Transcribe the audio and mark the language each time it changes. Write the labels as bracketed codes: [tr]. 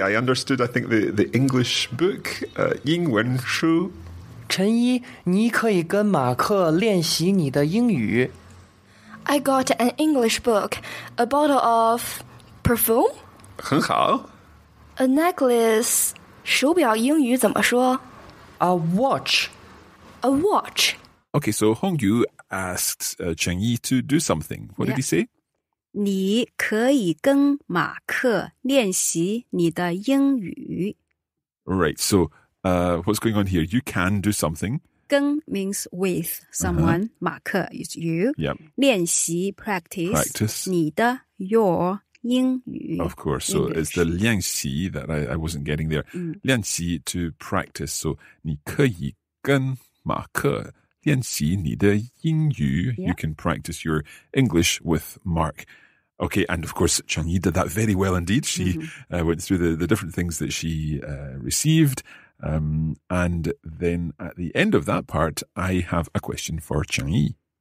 [en] I understood. I think the English book, 英文书. [zh] 陈一,你可以跟马克练习你的英语。I [en] got an English book, a bottle of perfume. [zh] 很好。 [en] A necklace, [zh] 手表英语怎么说? [en] A watch. A watch. Okay, so Hongyu asked Cheng Yi to do something. What did he say? [zh] 你可以跟马克练习你的英语. [en] Right, so what's going on here? You can do something. 跟 means with someone. Uh-huh. 马克 is you. Yep. 练习 practice. Practice. 你的 your 英语, of course, so English. It's the 练习 that I wasn't getting there. 练习 to practice. [zh] So 你可以跟马克练习你的英语. [en] Yeah. You can practice your English with Mark. Okay, and of course, Cheng Yi did that very well indeed. She went through the different things that she received. And then at the end of that part, I have a question for Cheng Yi.